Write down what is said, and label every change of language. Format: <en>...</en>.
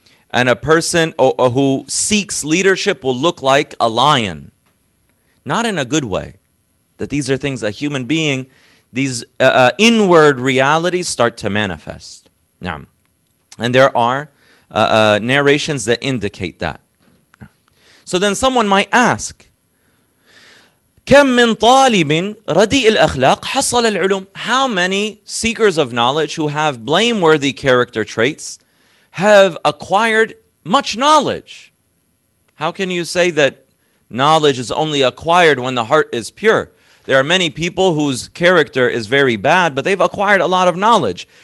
<en>And a person who seeks leadership will look like a lion. Not in a good way. That these are things a human being, these inward realities start to manifest. Now, and there are narrations that indicate that. So then someone might ask,</en> <ar>كم من طالب رديء الأخلاق حصل العلوم?</ar> <en>How many seekers of knowledge who have blameworthy character traits have acquired much knowledge? How can you say that knowledge is only acquired when the heart is pure? There are many people whose character is very bad, but they've acquired a lot of knowledge.</en>